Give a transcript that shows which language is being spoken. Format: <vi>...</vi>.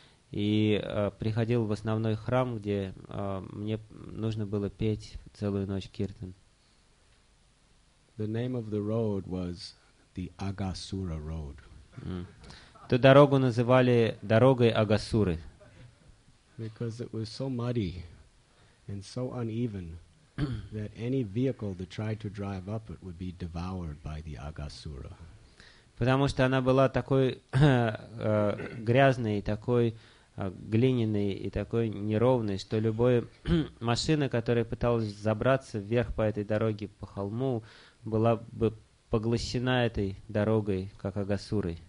<ru>И приходил в основной храм, где мне нужно было петь целую ночь киртан.</ru> <en>The name of the road was the Агасура Road.</en> <ru>Ту дорогу называли дорогой Агасуры.</ru> <en>Because it was so muddy and so uneven that any vehicle that tried to drive up it would be devoured by the Агасура.</en> <ru>Потому что она была такой грязной, такой глиняной и такой неровной, что любая машина, которая пыталась забраться вверх по этой дороге по холму, была бы поглощена этой дорогой, как Агасурой.</ru>